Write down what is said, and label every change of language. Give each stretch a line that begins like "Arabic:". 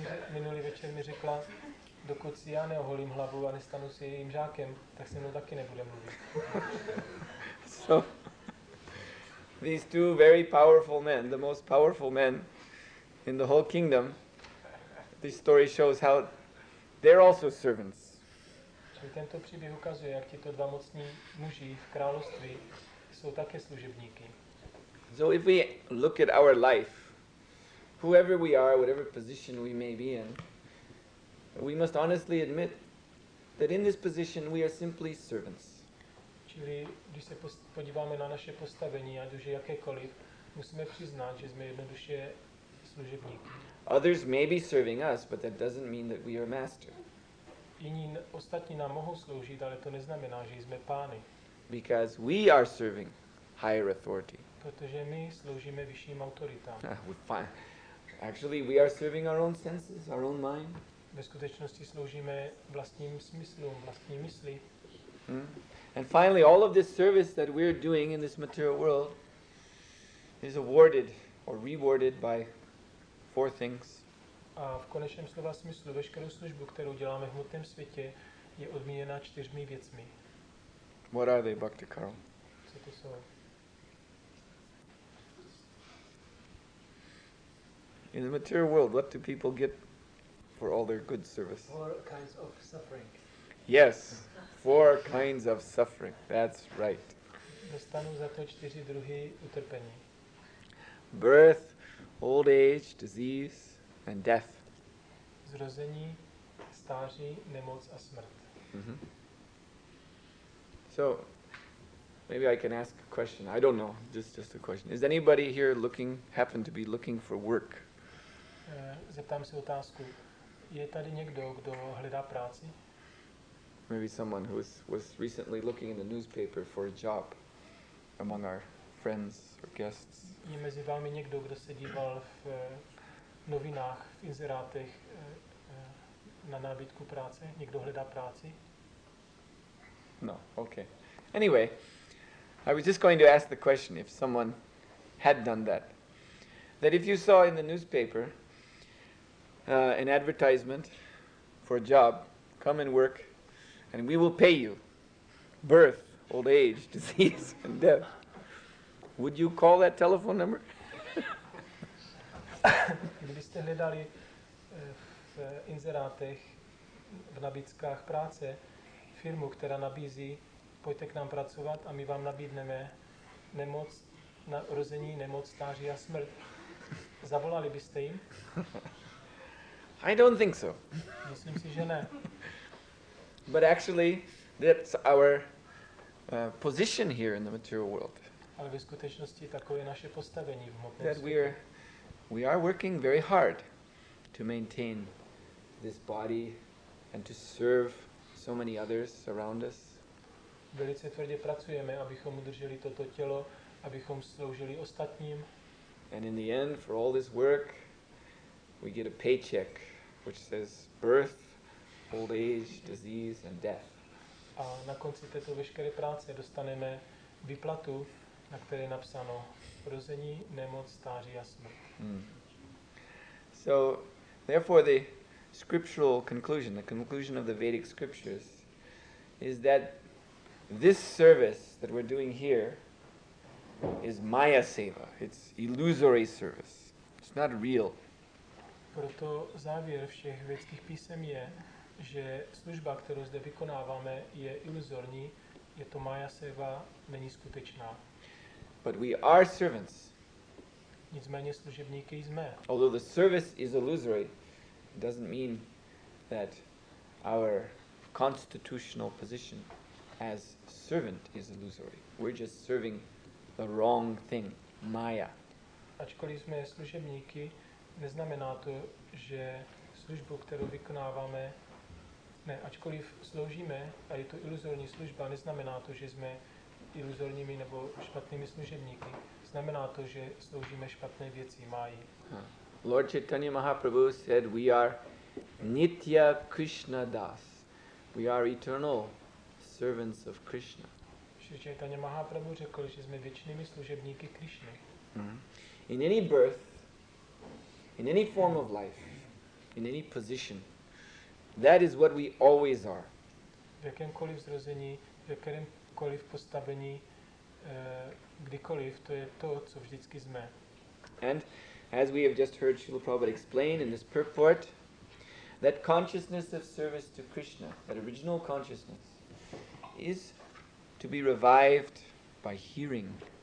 Czech: Minulý večer mi řekla, dokud si já neoholím hlavu a nestanu si jejím žákem, tak se mnou taky nebude mluvit.
English: So, these two very powerful men, the most powerful men in the whole kingdom, this story shows how they're also servants.
Czech: Čili tento příběh ukazuje, jak tito dva mocní muži v království jsou také služebníky.
English: So if we look at our life, whoever we are, whatever position we may be in, we must honestly admit that in this position we are simply servants.
Czech: Čili když se podíváme na naše postavení, ať už je jakékoliv, musíme přiznat, že jsme jednoduše služebníky.
English: Others may be serving us, but that doesn't mean that we are master.
Czech: Jiní ostatní nám mohou sloužit, ale to neznamená, že jsme pány.
English: Because we are serving higher authority.
Czech: Protože my sloužíme vyšším autoritám.
English: Actually, we are serving our own senses, our own mind.
Czech: Ve skutečnosti sloužíme vlastním smyslům, vlastní mysli.
English: And finally, all of this service that we're doing in this material world is awarded or rewarded by four things.
Czech: A v konečném slova smyslu veškerou službu, kterou děláme v hmotném světě, je odměněna čtyřmi věcmi.
English: What are they, Bhakti Karl? Co to jsou? In the material world, what do people get for all their good service? Four kinds of suffering. Yes, four kinds of suffering. That's right.
Czech: Dostanu za to čtyři druhy utrpení.
English: Birth, old age, disease, and death.
Czech: Zrození, stáří, nemoc a smrt. Mm-hmm.
English: So, maybe I can ask a question. I don't know, just a question. Is anybody here happen to be looking for work?
Czech: Zeptám se otázku. Je tady někdo, kdo hledá práci?
English: Maybe someone who was recently looking in the newspaper for a job among our friends or guests.
Czech: Je mezi vámi někdo, kdo se díval v novinách, v inzerátech na nabídku práce? Někdo hledá práci?
English: No, okay. Anyway, I was just going to ask the question if someone had done that. That if you saw in the newspaper an advertisement for a job, come and work, and we will pay you birth, old age, disease, and death. Would you call that telephone number?
Czech: Kdybyste hledali v inzerátech, v nabídkách práce, firmu, která nabízí, pojďte k nám pracovat a my vám nabídneme nemoc, narození, nemoc, stáří a smrt. Zavolali byste jim?
English: I don't think so.
Czech: Myslím si, že ne.
English: But actually, that's our position here in the material world.
Czech: Ale ve skutečnosti takové je naše postavení v hmotném světě.
English: That we are working very hard to maintain this body and to serve so many others around us.
Czech: Velice tvrdě pracujeme, abychom udrželi toto tělo, abychom sloužili ostatním.
English: And in the end, for all this work, we get a paycheck, which says birth, old age, disease, and death.
Czech: A na konci této veškeré práce dostaneme výplatu, na které je napsáno rození, nemoc, stáří a smrt.
English: So, therefore the scriptural conclusion, the conclusion of the Vedic scriptures, is that this service that we're doing here is maya seva, it's illusory service, it's not real.
Czech: Proto závěr všech vědeckých písem je, že služba, kterou zde vykonáváme, je iluzorní, je to maya seva, není skutečná.
English: But we are servants.
Czech: Nicméně služebníky jsme.
English: Although the service is illusory, it doesn't mean that our constitutional position as servant is illusory. We're just serving the wrong thing, maya.
Czech: Ačkoliv jsme služebníky, neznamená to, že službu, kterou vykonáváme, ne, ačkoliv sloužíme a je to iluzorní služba, neznamená to, že jsme iluzorními nebo špatnými služebníky, znamená to, že sloužíme špatné věci máji.
English: Lord Chaitanya Mahaprabhu said, we are Nitya Krishna Das. We are eternal servants of Krishna.
Czech: Sri Chaitanya Mahaprabhu řekl, že jsme věčnými služebníky Krishny.
English: In any birth, in any form of life, in any position, that is what we always are.
Czech: V jakémkoliv zrození, v jakémkoliv postavení, kdykoliv, to je to, co vždycky jsme.
English: And as we have just heard Srila Prabhupada explain in this purport, that consciousness of service to Krishna, that original consciousness, is to be revived by hearing.